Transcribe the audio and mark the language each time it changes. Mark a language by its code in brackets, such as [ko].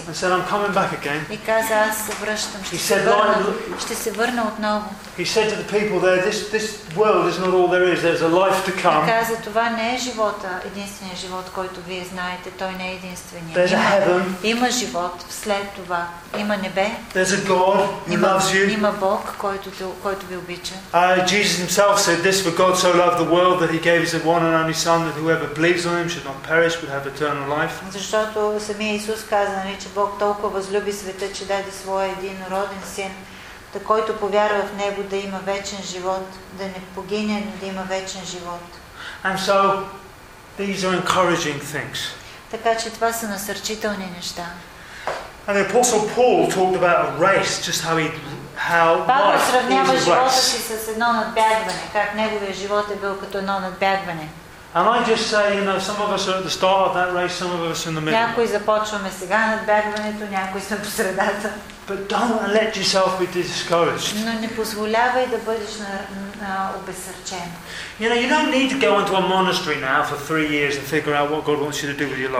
[en] And said, I'm coming back again. [bg] И каза, аз се връщам. Ще се върна отново. [en] He said to the people there, this world is not all there is. There's a life to come. [bg] И каза, това не е живота, единственият живот, който вие знаете, той не е единственият. [en] There's a heaven. [bg] Има живот след това. Има небе. [en] There's a God who loves you. [bg] Има Бог, който ви обича. [en] Jesus himself said this, for God so loved the world that he gave his one and only son that whoever believes on him should not perish but have eternal life. [bg] Защото самия Исус каза, нали, че Бог толкова възлюби света, че даде своя един роден син, да който повярва в него да има вечен живот, да не погине, но да има вечен живот. [en] And so these are encouraging things. [bg] Така че това са насърчителни неща. [en] And the Apostle Paul talked about a race, just how he [bg] Павел сравнява живота си с едно надбягване, как неговия живот е бил като едно надбягване. [en] And I just say, you know, some of us are at the start of that race, some of us in the middle. [bg] Някои започваме сега надбягването, някои сме по средата. [en] But don't let yourself be discouraged. [bg] Но не позволявай да бъдеш обезсърчен. [en] You know, you don't need to go into a monastery now for 3 years and figure out what God wants you to do with your life.